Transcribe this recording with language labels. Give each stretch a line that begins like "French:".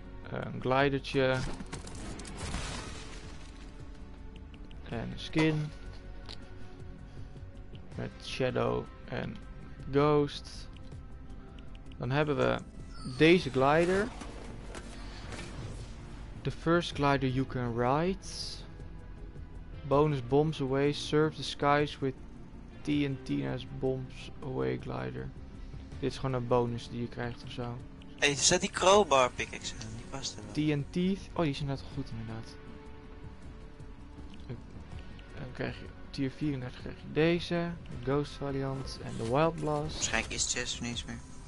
Dutch: Een glidertje. En een skin. Met shadow en ghost. Dan hebben we deze glider.
English: The first glider you can ride. Bonus bombs away, surf the skies with TNT as bombs away glider.
Dutch: Dit is gewoon een bonus die je krijgt ofzo. Hey, zet die crowbar pickaxe aan, die past er wel. TNT, oh die is inderdaad goed inderdaad. Dan krijg je tier 34, krijg je deze, de ghost variant en de wild blast. Waarschijnlijk is chest of niets meer.